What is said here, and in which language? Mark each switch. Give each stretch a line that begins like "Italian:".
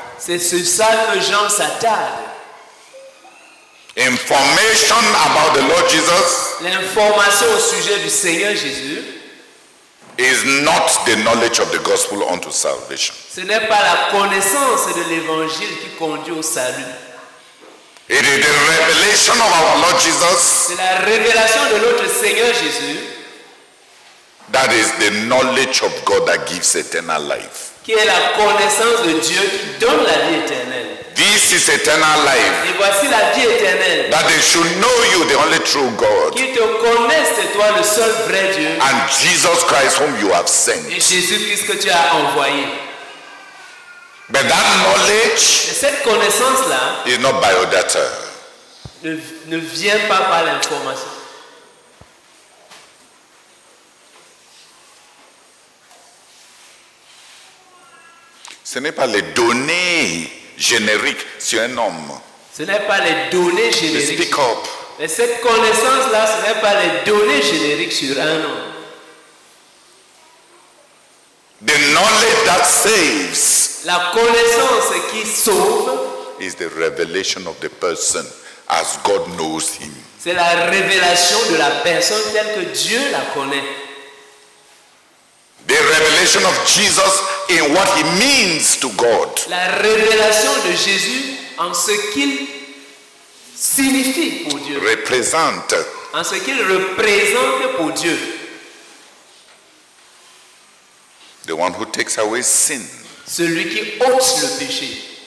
French: C'est sur ça que Jean s'attarde.
English: Information about the Lord Jesus.
French: L'information au sujet du Seigneur Jésus.
English: Is not the knowledge of the gospel unto salvation.
French: Ce n'est pas la connaissance de l'évangile qui conduit au salut.
English: It is the revelation of our Lord Jesus.
French: C'est la révélation de notre Seigneur Jésus.
English: That is the knowledge of God that gives eternal life.
French: Qui est la connaissance de Dieu qui donne la vie éternelle.
English: This is eternal life.
French: Et voici la vie éternelle.
English: That they should know you, the only true God.
French: Qui te connaisse, toi, le seul vrai Dieu.
English: And Jesus Christ whom you have sent.
French: Et Jésus-Christ que tu as envoyé.
English: But that knowledge
French: cette connaissance-là
English: is not biodata.
French: Ne vient pas par l'information. Ce n'est pas les données génériques sur un homme. Ce n'est pas les données génériques. Mais
English: speak up.
French: Mais cette connaissance-là, ce n'est pas les données génériques sur un homme.
English: The knowledge that saves.
French: La connaissance qui sauve
English: is the revelation of the person as God knows him.
French: C'est la révélation de la personne telle que Dieu la connaît.
English: The revelation of Jesus in what he means to God.
French: La révélation de Jésus en ce qu'il signifie pour Dieu. Représente. En ce qu'il représente pour Dieu.
English: The one who takes away sin.
French: Celui qui ôte le péché.